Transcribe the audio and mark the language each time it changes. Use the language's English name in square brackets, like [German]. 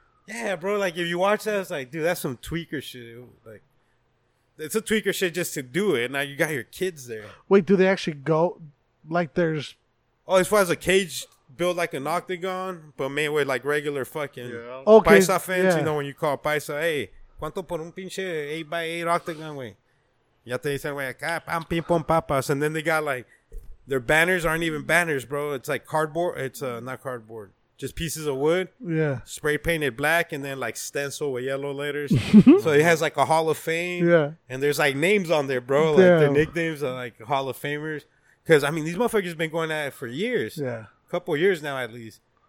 [English] Yeah, bro, like, if you watch that, it's like, dude, that's some tweaker shit. Like, it's a tweaker shit just to do it. Now you got your kids there. Wait, do they actually go, like, there's... Oh, as far as a cage built like an octagon, but made with, like, regular fucking okay. paisa fence. Yeah. You know, when you call paisa, hey, [Spanish] ¿cuánto por un pinche [English] 8x8 octagon, [Spanish] güey? Ya te dicen, güey, acá, pam, pim, pom, papas. [English] And then they got, like, their banners aren't even banners, bro. It's, like, cardboard. It's, not cardboard. Just pieces of wood, spray painted black, and then like stencil with yellow letters. So it has like a Hall of Fame, and there's like names on there, bro. Like their nicknames are like Hall of Famers. Because I mean, these motherfuckers have been going at it for years, a couple years now at least.